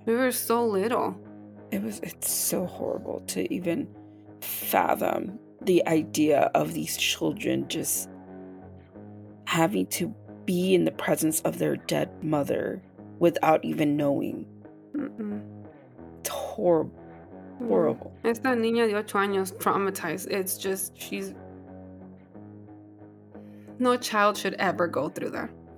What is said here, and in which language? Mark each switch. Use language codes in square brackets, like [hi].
[en] We were so little. It's so horrible to even fathom the idea of these children just having to be in the presence of their dead mother without even knowing. It's horrible. [es] Esta niña de 8 años [en] traumatized. It's just, she's... No child should ever go through that.